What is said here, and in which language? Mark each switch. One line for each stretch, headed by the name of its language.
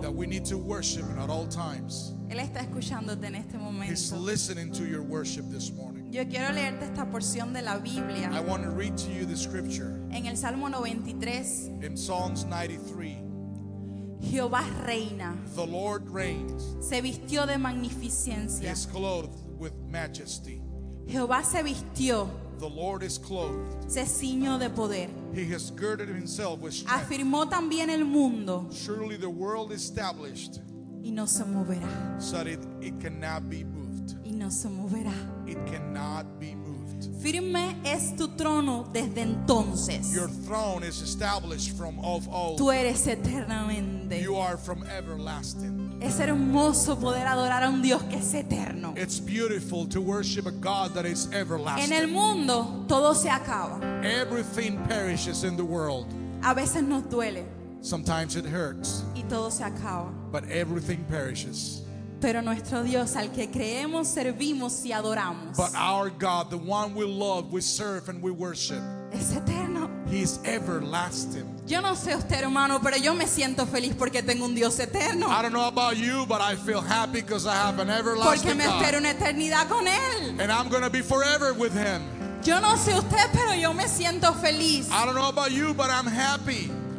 English: That we need to worship him at all times.
Spanish: Él está escuchándote en este momento.
English: He's listening to your worship this morning.
Spanish: Yo quiero leerte esta porción de la Biblia.
English: I want to read to you the scripture.
Spanish: En el Salmo 93.
English: In Psalms 93.
Spanish: Jehová reina.
English: The Lord reigns.
Spanish: Se vistió de magnificencia.
English: He is clothed with majesty.
Spanish: Jehová se vistió.
English: The Lord is clothed.
Spanish: Se ciñó de poder.
English: He has girded himself with strength.
Spanish: Afirmó también el mundo.
English: Surely the world established.
Spanish: Y no se moverá.
English: So that it cannot be moved.
Spanish: Y no se moverá.
English: It cannot be moved.
Spanish: Firme es tu trono desde entonces.
English: Your throne is established from of old.
Spanish: Tú eres eternamente.
English: You are from everlasting.
Spanish: Es hermoso poder adorar a un Dios que es eterno.
English: It's beautiful to worship a God that is everlasting.
Spanish: En el mundo todo se acaba.
English: Everything perishes in the world.
Spanish: A veces nos duele.
English: Sometimes it hurts.
Spanish: Y todo se acaba.
English: But everything perishes.
Spanish: Pero nuestro Dios, al que creemos, servimos y adoramos.
English: But our God, the one we love, we serve and we worship.
Spanish: Es eterno.
English: He is everlasting.
Spanish: Yo no sé usted, hermano, pero yo me siento feliz porque tengo un Dios eterno.
English: I don't know about you, but I feel happy because I have an everlasting God.
Spanish: Porque me espero una eternidad con él.
English: And I'm going to be forever with him.
Spanish: Yo no sé usted, pero yo me siento feliz.
English: I don't know about you, but I'm happy.